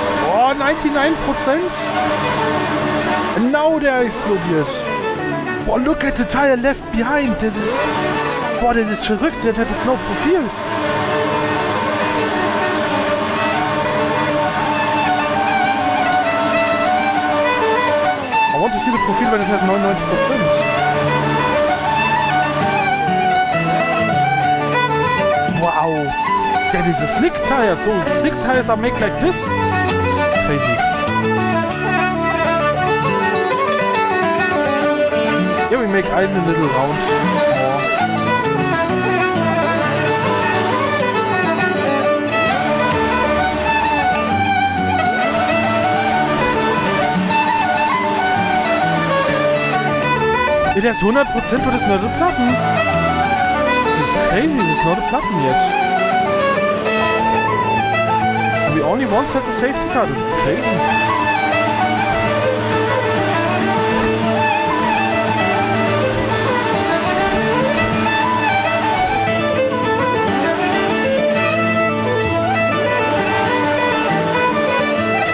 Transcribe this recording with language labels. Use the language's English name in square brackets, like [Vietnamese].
[English] Oh, 99%! And now they're exploded! Oh, look at the tire left behind, this is... [German] Boah, das ist verrückt, der hat das neue Profil. [English] I want to see the Profil, [German] weil das hat 99%. [English] Wow, that is a slick tire. So slick tires are made like this. Crazy. Yeah, we make a little round. [German] Der ist 100% und das sind also Platten. Das ist crazy, das ist nur die Platten jetzt. [English] We only once had the safety car, [German] das ist crazy.